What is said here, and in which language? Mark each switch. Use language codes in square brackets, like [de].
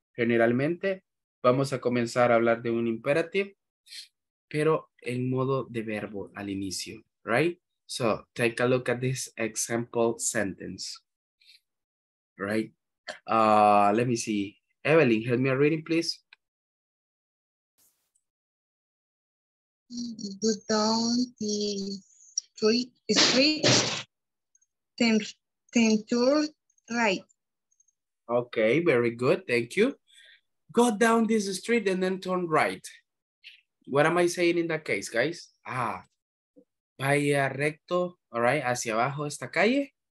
[es] Generalmente, vamos a comenzar a hablar de un imperative, pero en modo de verbo al inicio, [en] right? So, take a look at this example sentence, right? Let me see. Evelyn, help me reading, please. The town the street, turn right. Okay, very good. Thank you. Go down this street and then turn right. What am I saying in that case, guys? [es] Ah, vaya recto, [en] all right, [es] hacia abajo esta calle.